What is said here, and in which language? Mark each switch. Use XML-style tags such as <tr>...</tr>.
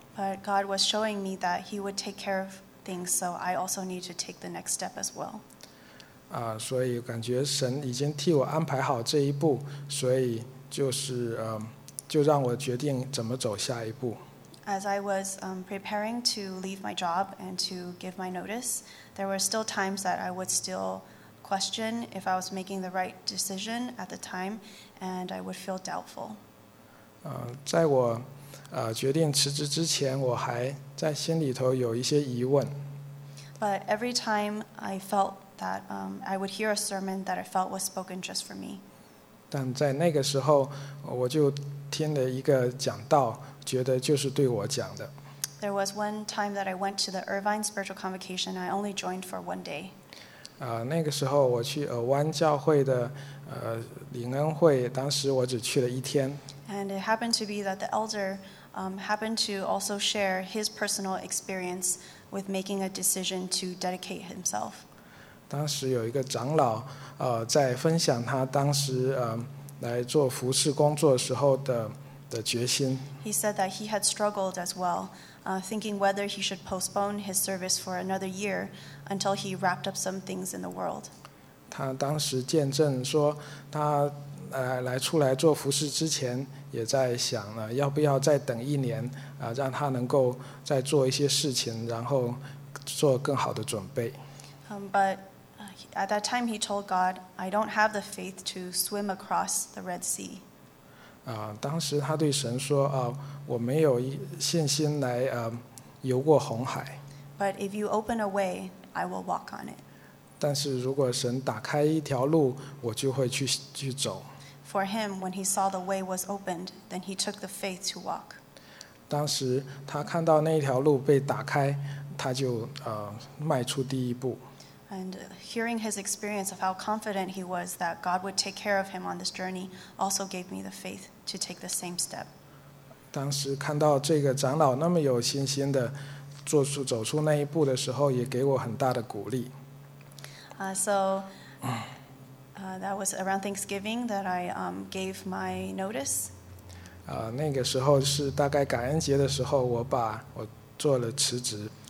<en>But God was showing me that He would take care of things, so I also need to take the next step as well.</en> <zh>所以感觉神已经替我安排好这一步，所以就让我决定怎么走下一步。</zh> <en>As I was preparing to leave my job and to give my notice, there were still times that I would still question if I was making the right decision at the time, and I would feel doubtful.</en> <zh>在我决定辞职之前，我还在心里头有一些疑问。</zh> <en>But every time I feltthat I would hear a sermon that I felt was spoken just for me.</en> <zh>但在那个时候，我就听了一个讲道，觉得就是对我讲的。</zh> <en>There was one time that I went to the Irvine Spiritual Convocation, and I only joined for one day.</en> <zh>那个时候我去尔湾教会的灵恩会，当时我只去了一天。</zh> <en>And it happened to be that the elder happened to also share his personal experience with making a decision to dedicate himself.</en> <zh>当时有一个长老在分享他当时来做服侍工作时候的的决心。</zh> <en>He said that he had struggled as well, thinking whether he should postpone his service for another year until he wrapped up some things in the world.</en> <zh>他当时见证说，他来出来做服事之前，也在想了要不要再等一年，让他能够再做一些事情，然后做更好的准备。</zh> <en>But at that time, he told God, "I don't have the faith to swim across the Red Sea."</en> <zh>当时他对神说，我没有信心来游过红海。</zh> <en>But if you open a way, I will walk on it.</en> <zh>但是如果神打开一条路，我就会去走。</zh> <en>For him, when he saw the way was opened, then he took the faith to walk.</en> <zh>当时他看到那条路被打开，他就迈出第一步。</zh> <en>And hearing his experience of how confident he was that God would take care of him on this journey also gave me the faith to take the same step.</en> <zh>当时看到这个长老那么有信心的走出那一步的时候，也给我很大的鼓励。</zh> <en>That was around Thanksgiving that I gave my notice.</en> <zh>那个时候是大概感恩节的时候，我做了辞职。</zh>